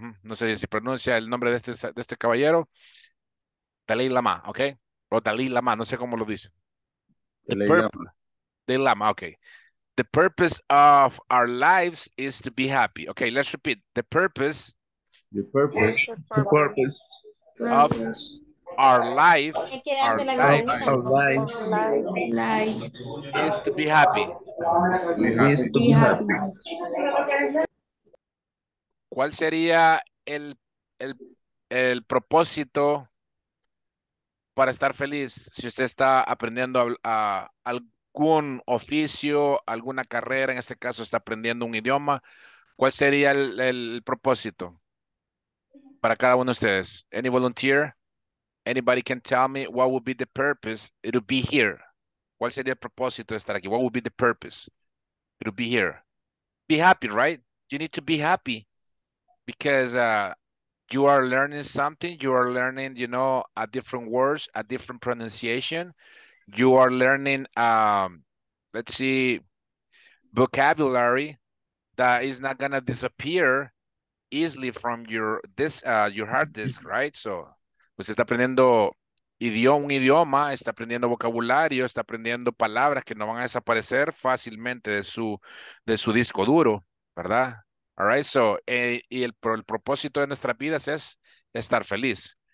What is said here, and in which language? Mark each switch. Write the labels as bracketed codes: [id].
[es] No sé si pronuncia el nombre de este caballero. Dalai Lama, okay? Or Dalai Lama, no sé cómo lo dice. Dalai Lama. Dalai Lama, okay. [en] The purpose of our lives is to be happy. Okay, let's repeat. The purpose. The purpose. The purpose. Of our life. Our life. Our lives. Lives. Is to be happy. Is to be happy. [es] ¿Cuál sería el propósito para estar feliz si usted está aprendiendo a algún oficio, alguna carrera, en este caso está aprendiendo un idioma? ¿Cuál sería el propósito para cada uno de ustedes? [en] Any volunteer? Anybody can tell me what would be the purpose? It would be here. [es] ¿Cuál sería el propósito de estar aquí? [en] What would be the purpose? It would be here. Be happy, right? You need to be happy. Because you are learning something, you are learning, you know, a different words, a different pronunciation. You are learning, let's see, vocabulary that is not gonna disappear easily from your hard disk, right? [es] So, pues está aprendiendo un idioma, está aprendiendo vocabulario, está aprendiendo palabras que no van a desaparecer fácilmente de su disco duro, ¿verdad? All right, so, y el propósito de nuestras vidas es estar feliz.